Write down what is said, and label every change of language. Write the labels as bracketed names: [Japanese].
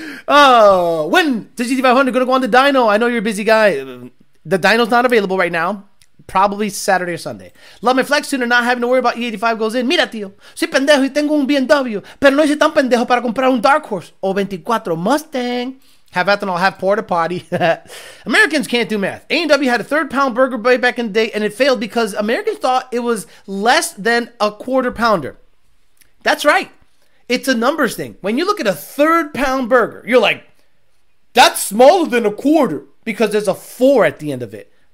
[English] Oh, when does E500 gonna go on the dyno? I know you're a busy guy. The dyno's not available right now. Probably Saturday or Sunday. Love my flex tuner, not having to worry about E85 goes in. [Spanish] Mira, tío. Soy pendejo y tengo un BMW. Pero no soy tan pendejo para comprar un Dark Horse o 24 Mustang. [English] Have ethanol, have porta potty. Americans can't do math. A&W had a third pound burger way back in the day, and it failed because Americans thought it was less than a quarter pounder. That's right. It's a numbers thing. When you look at a third pound burger, you're like, that's smaller than a quarter because there's a four at the end of it.